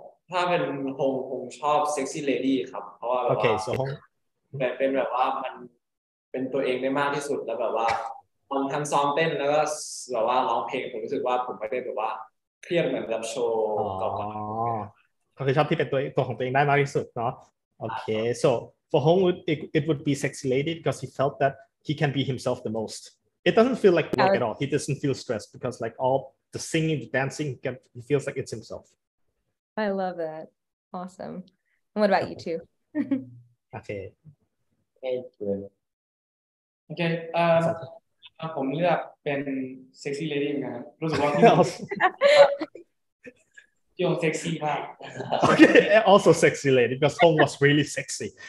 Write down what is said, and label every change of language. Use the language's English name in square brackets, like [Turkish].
[Thai] ถ้าเป็นฮงคงชอบ sexy lady ครับเพราะว่า โอเค ส่งแบบเป็นแบบว่ามันเป็นตัวเองได้มากที่สุดแล้วแบบว่าตอนทำซ้อมเต้นแล้วก็แบบว่าร้องเพลงผมรู้สึกว่าผมไม่ได้แบบว่าเครียดเหมือนกับโชว์ก่อน คือชอบที่เป็นตัวของตัวเองได้มากที่สุดเนาะโอเค [English] so for Hongwood it would be sexy lady because he felt that he can be himself the most it doesn't feel like work at all he doesn't feel stressed because like all the singing the dancing he feels like it's himself I love that awesome and what about you two okay [Thai] โอเคผมเลือกเป็นเซ็กซี่เลดี้นะรู้สึกว่าที่ผมเซ็กซี่มาก [English] โอเค also sexy lady because Hong was really sexy